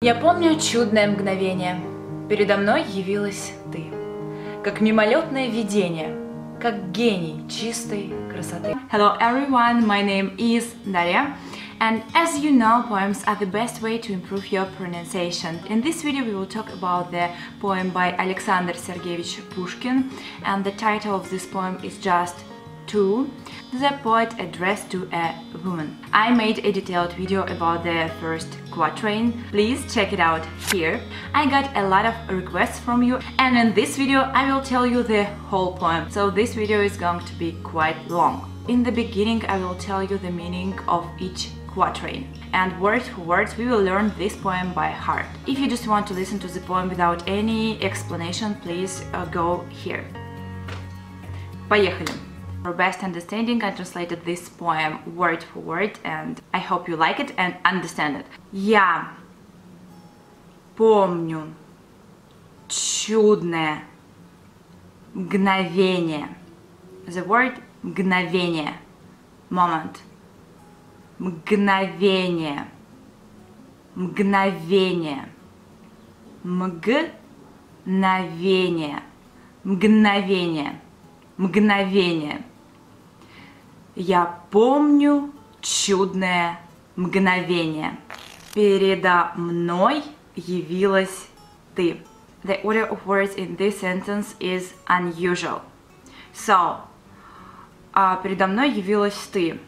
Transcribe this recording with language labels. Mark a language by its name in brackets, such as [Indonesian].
[Russian] Я помню чудное мгновение. Передо мной явилась ты. Как мимолетное видение, как гений чистой красоты. [English] Hello everyone, my name is Daria. And as you know, poems are the best way to improve your pronunciation. In this video we will talk about the poem by Александр Сергеевич Пушкин. And the title of this poem is just Two, the poet addressed to a woman. I made a detailed video about the first quatrain. Please check it out here. I got a lot of requests from you, and in this video I will tell you the whole poem. So this video is going to be quite long. In the beginning I will tell you the meaning of each quatrain. And word for word we will learn this poem by heart. If you just want to listen to the poem without any explanation, please go here. [Russian] Поехали! [English] For best understanding, I translated this poem word for word, and I hope you like it and understand it. [Russian] Я помню чудное мгновение. [English] The word мгновение, moment. [Russian] Мгновение, мгновение, мгновение, мгновение, мгновение. Я помню чудное мгновение. Передо мной явилась ты. [English] The order of words in this sentence is unusual. [Russian] So, передо мной явилась ты.